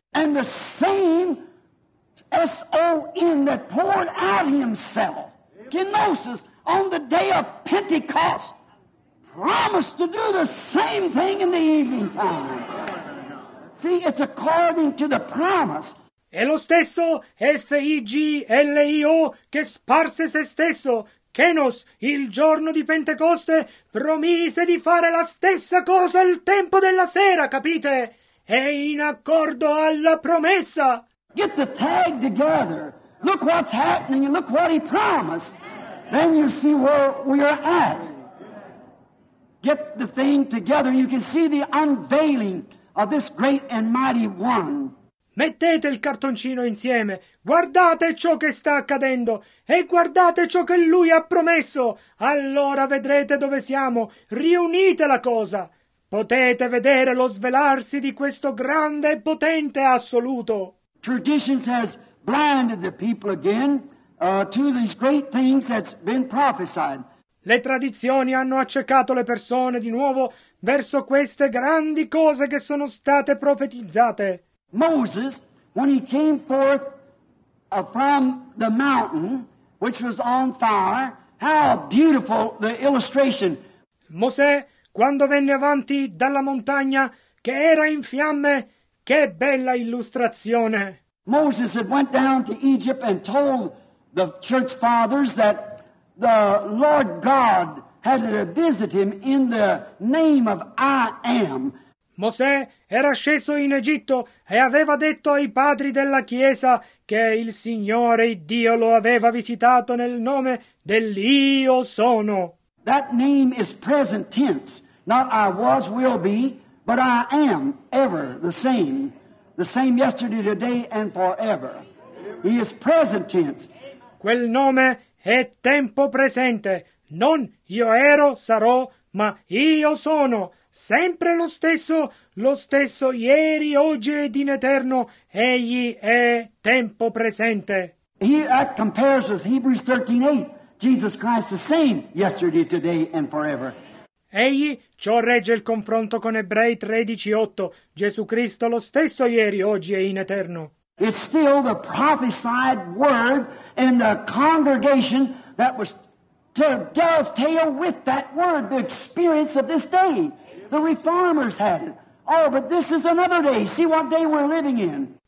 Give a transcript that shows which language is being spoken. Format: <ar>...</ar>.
<en>And the same S-O-N that poured out himself, kenosis, on the day of Pentecost, promised to do the same thing in the evening time. See, it's according to the promise.</en> <it>E lo stesso F-I-G-L-I-O che sparse se stesso, kenos, il giorno di Pentecoste, promise di fare la stessa cosa il tempo della sera, capite? È in accordo alla promessa.</it> <en>Get the tag together. Look what's happening and look what he promised. Then you see where we are at. Get the thing together. You can see the unveiling of this great and mighty one.</en> <it>Mettete il cartoncino insieme, guardate ciò che sta accadendo e guardate ciò che lui ha promesso. Allora vedrete dove siamo, riunite la cosa. Potete vedere lo svelarsi di questo grande e potente assoluto.</it> <en>Traditions has blinded the people again to these great things that's been prophesied.</en> <it>Le tradizioni hanno accecato le persone di nuovo verso queste grandi cose che sono state profetizzate.</it> <en>Moses, when he came forth from the mountain, which was on fire, how beautiful the illustration.</en> <it>Mosè, quando venne avanti dalla montagna, che era in fiamme, che bella illustrazione.</it> <en>Moses had went down to Egypt and told the church fathers that the Lord God had to visit him in the name of I Am.</en> <it>Mosè era sceso in Egitto e aveva detto ai padri della Chiesa che il Signore Dio lo aveva visitato nel nome dell'Io Sono.</it> <en>That name is present tense, not I was, will be, but I am ever the same yesterday, today, and forever. He is present tense.</en> <it>Quel nome è tempo presente, non io ero, sarò, ma io sono, sempre lo stesso ieri, oggi ed in eterno, egli è tempo presente.</it> <en>That compares with Hebrews 13:8. Jesus Christ the same yesterday, today and forever.</en> <it>Egli ciò regge il confronto con Ebrei 13:8. Gesù Cristo lo stesso ieri, oggi e in eterno.</it> <en>It's still the prophesied word in the congregation that was to dovetail with that word, the experience of this day. The reformers had it. Oh, but this is another day. See what day we're living in.</en>